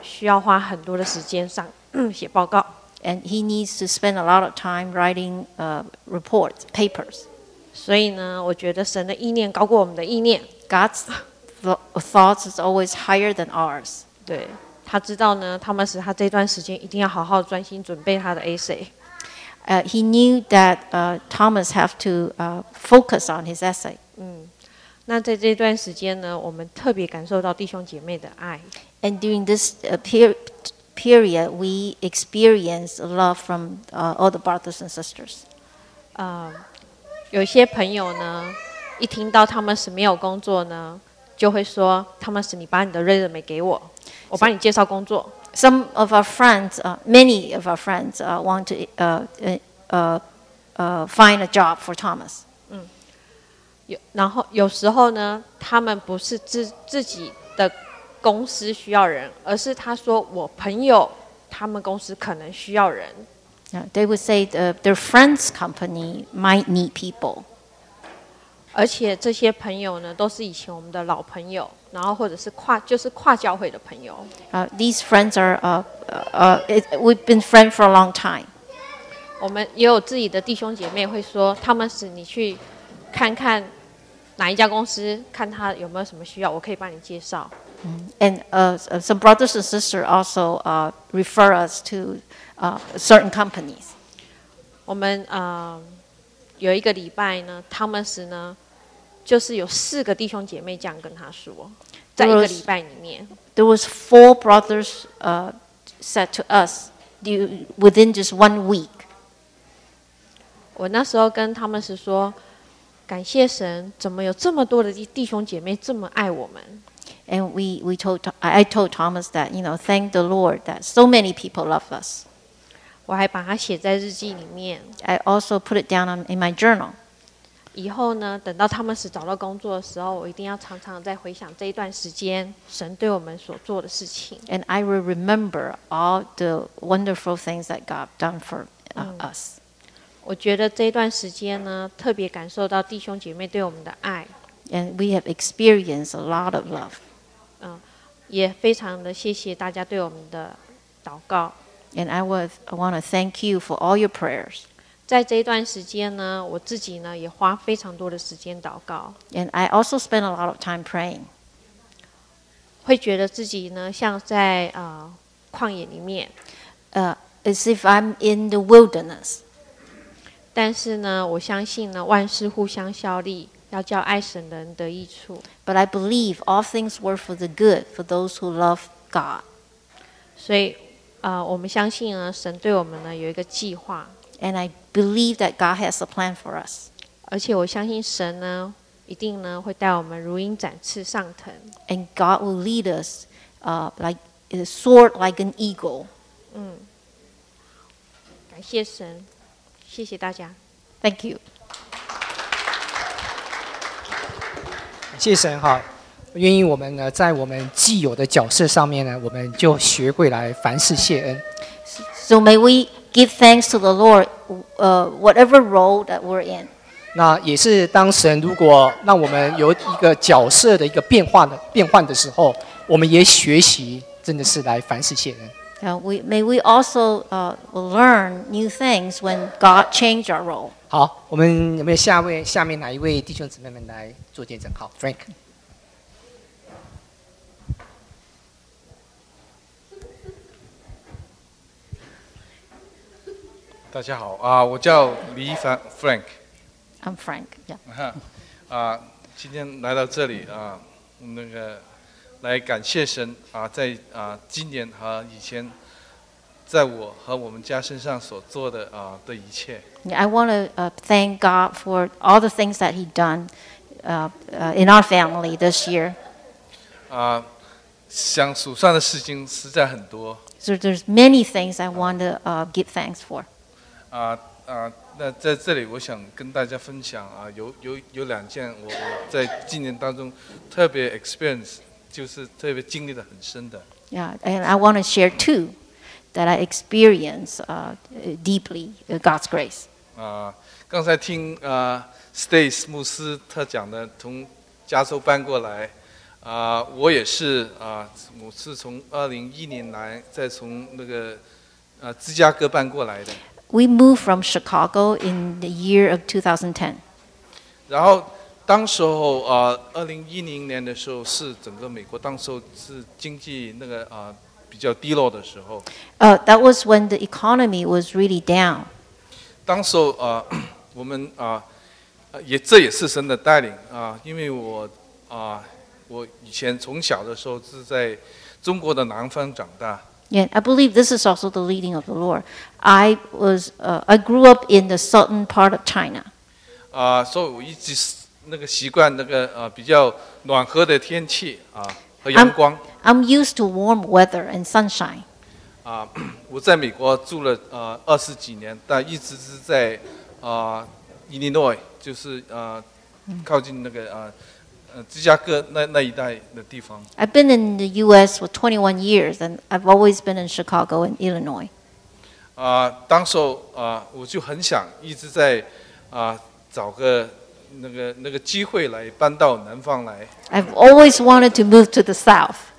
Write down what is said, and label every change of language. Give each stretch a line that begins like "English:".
Chinese: 需要花很多的时间上写报告。
English: And he needs to spend a lot of time writing reports, papers.
Chinese: 所以呢，我觉得神的意念高过我们的意念。
English: God's thoughts is always higher than ours.
Chinese: 对，他知道呢，他们使他这段时间一定要好好专心准备他的 essay.
English: He knew that Thomas have to focus on his essay.
Chinese: 嗯，那在这段时间呢，我们特别感受到弟兄姐妹的爱。
English: And during this period, we experience love from all the brothers and sisters.
Chinese: 有些朋友呢，一听到Thomas没有工作呢，就会说Thomas，你把你的resume给我，我帮你介绍工作。
English: Some of our friends, many of our friends, want to find a job for Thomas. 嗯，
Chinese: 有时候呢，他们不是自己的公司需要人，而是他说我朋友他们公司可能需要人。
English: They would say their friend's company might need people.
Chinese: 而且这些朋友呢，都是以前我们的老朋友，然后或者是跨教会的朋友。
English: These friends are we've been friends for a long time.
Chinese: 我们也有自己的弟兄姐妹会说，他们是你去看看哪一家公司，看他有没有什么需要，我可以帮你介绍。
English: And some brothers and sisters also refer us to certain companies.
Chinese: 我们有一个礼拜呢 ，Thomas 呢，就是有四个弟兄姐妹这样跟他说，在一个礼拜里面
English: ，There was four brothers said to us within just one week.
Chinese: 我那时候跟 Thomas 说，感谢神，怎么有这么多的弟兄姐妹这么爱我们？
English: And I told Thomas that, you know, thank the Lord that so many people love us.
Chinese: 我还把它写在日记里面。
English: I also put it down in my journal.
Chinese: 以后呢，等到 Thomas 找到工作的时候，我一定要常常再回想这一段时间神对我们所做的事情。
English: And I will remember all the wonderful things that God done for us.
Chinese: 我觉得这一段时间呢，特别感受到弟兄姐妹对我们的爱。
English: And we have experienced a lot of love.
Chinese: 也非常的谢谢大家对我们的祷告。
English: And I want to thank you for all your prayers.
Chinese: 在这一段时间呢，我自己呢也花非常多的时间祷告。
English: And I also spend a lot of time praying.
Chinese: 会觉得自己呢像在旷野里面。
English: As if I'm in the wilderness.
Chinese: 但是呢，我相信呢，万事互相效力。要叫爱神的人得益处。
English: But I believe all things work for the good for those who love God.
Chinese: 所以，我们相信呢，神对我们呢有一个计划。
English: And I believe that God has a plan for us.
Chinese: 而且我相信神呢，一定呢会带我们如鹰展翅上腾。
English: And God will lead us, soar like an eagle. 嗯，
Chinese: 感谢神，谢谢大家。
English: Thank you.
Chinese: 谢神哈，愿意我们呢，在我们既有的角色上面呢，我们就学会来凡事谢恩。
English: So may we give thanks to the Lord, whatever role that we're in.
Chinese: 那也是当神如果让我们有一个角色的一个变化的时候，我们也学习真的是来凡事谢恩。
English: May we also learn new things when God changes our role.
Chinese: 好，我们有没有下面哪一位弟兄姊妹们来做见证？好 ，Frank。大家好啊，我叫李凡 Frank。
English: I'm Frank. Yeah.
Chinese: 今天来到这里来感谢神在今年和以前。在我和我们家身上所做的的一切。
English: Yeah, I want to thank God for all the things that He done in our family this year.
Chinese: 想数算的事情实在很多。
English: So there's many things I want to give thanks for.
Chinese: 那在这里我想跟大家分享有两件我在今年当中特别 experience 就是特别经历的很深的。
English: Yeah, and I want to share two. That I experience deeply God's grace.
Chinese: 刚才听Stace 牧师他讲的，从加州搬过来，我也是我是从2011年来，再从那个芝加哥搬过来的。
English: We moved from Chicago in the year of 2010.
Chinese: 然后当时候2010年的时候，是整个美国当时候是经济那个比较低落的时候。
English: That was when the economy was really down.
Chinese: 当时候我们这也是神的带领因为我以前从小的时候是在中国的南方长大。
English: Yeah, I believe this is also the leading of the Lord. I was I grew up in the southern part of China.
Chinese: 所以我一直那个习惯那个比较暖和的天气和阳光。
English: I'm used to warm weather and sunshine.
Chinese: 我在美国住了二十几年，但一直是在Illinois， 就是靠近那个芝加哥那一带的地方。
English: I've been in the U.S. for 21 years, and I've always been in Chicago and Illinois.
Chinese: 当时我就很想一直在找个。那个机会来搬到南方来。
English: I've always wanted to move to the south.